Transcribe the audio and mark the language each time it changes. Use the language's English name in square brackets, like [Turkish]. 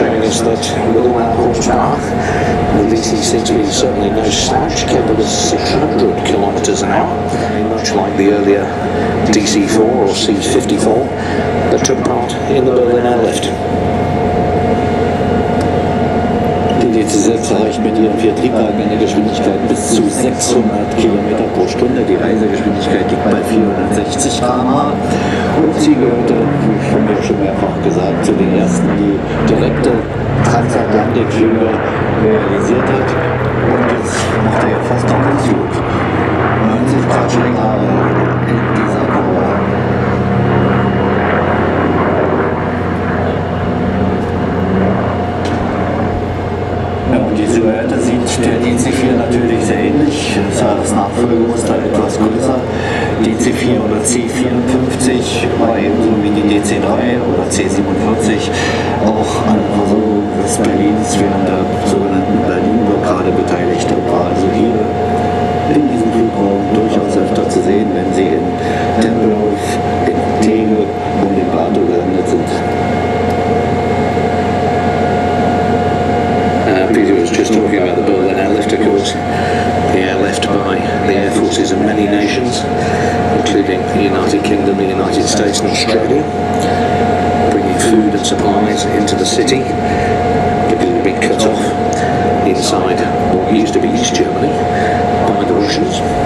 [English] Is that with all that horsepower, the DC-6B is certainly no slouch, capable of 600 kilometres an hour, much like the earlier DC-4 or C-54 that took part in the Berlin Airlift. [German] Die DC-6 erreicht mit ihren vier Triebwagen eine Geschwindigkeit bis zu 600 km pro Stunde. Die Reisegeschwindigkeit liegt bei 460 km/h. Und sie gehörte, wie von mir schon mehrfach gesagt, zu den ersten, die direkte Transatlantikflüge realisiert hat. Und jetzt macht er ja fast einen Flug. 90 Grad schon länger in dieser Kurve. Die Silhouette sieht der DC-4 natürlich sehr ähnlich, das Nachfolgemuster etwas größer. DC-4 oder C-54 war ebenso wie die DC-3 oder C-47 auch an der Versorgung des Berlins während der sogenannten Berlin-Blockade beteiligt. Und war also hier in diesem Flugraum durchaus öfter zu sehen, wenn sie in Tempelhof, in Tegel und in Bad gelandet sind. [English] Peter was just talking about the Berlin Airlift, of course, the airlift by the air forces of many nations, including the United Kingdom, the United States and Australia, bringing food and supplies into the city, because it had been cut off inside what used to be East Germany by the Russians.